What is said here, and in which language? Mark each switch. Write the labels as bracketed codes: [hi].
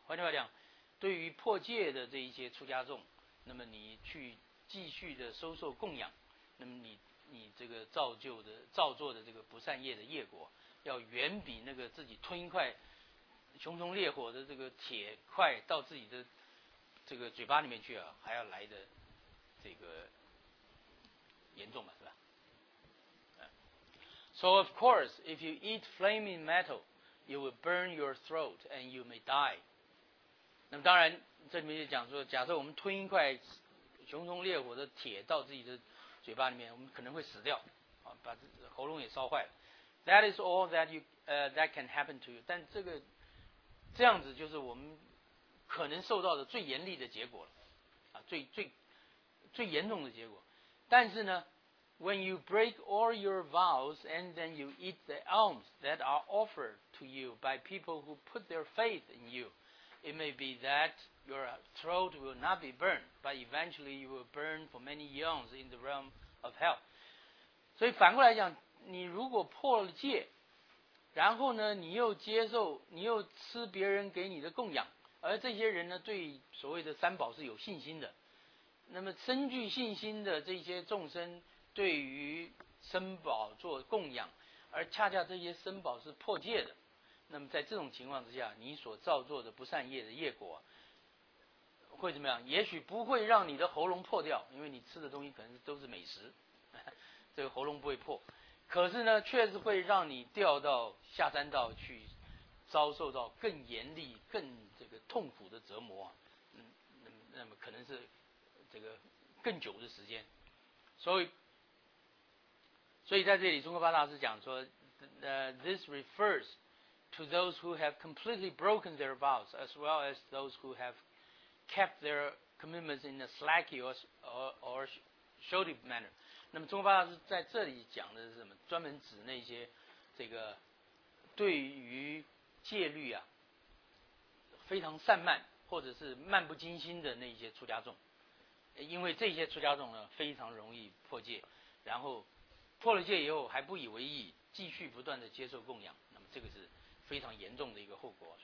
[zh] 换句话讲，对于破戒的这一些出家众，那么你去继续的收受供养，那么你这个造作的这个不善业的业果要远比那个自己吞一块熊熊烈火的这个铁块到自己的这个嘴巴里面去啊还要来的这个严重嘛，是吧？ [en] So of course if you eat flaming metal you will burn your throat and you may die。 [zh] 那么当然这里面就讲说，假设我们吞一块熊熊烈火的铁到自己的嘴巴里面，我们可能会死掉啊，把喉咙也烧坏了。 [en] That is all that you that can happen to you。 [zh] 但这样子就是我们可能受到的最严厉的结果了，啊，最严重的结果。但是呢 [en] ，when you break all your vows and then you eat the alms that are offered to you by people who put their faith in you, it may be that your throat will not be burned, but eventually you will burn for many eons in the realm of hell. [zh] 所以反过来讲，你如果破了戒，然后呢，你又接受，你又吃别人给你的供养，而这些人呢，对所谓的三宝是有信心的。那么深具信心的这些众生，对于三宝做供养，而恰恰这些三宝是破戒的，那么在这种情况之下，你所造作的不善业的业果会怎么样？也许不会让你的喉咙破掉，因为你吃的东西可能都是美食，这个喉咙不会破。可是呢，确实会让你掉到下三道去，遭受到更严厉、更这个痛苦的折磨、啊。那么可能是这个更久的时间。所以在这里，中国巴大师讲说， [en] this refers to those who have completely broken their vows, as well as those who have kept their commitments in a slacky or shoddy manner。 [zh] 那么中国巴大师在这里讲的是什么？专门指那些这个对于戒律啊非常散漫或者是漫不经心的那些出家众，因为这些出家众呢非常容易破戒，然后破了戒以后还不以为意，继续不断的接受供养，那么这个是非常严重的一个后果。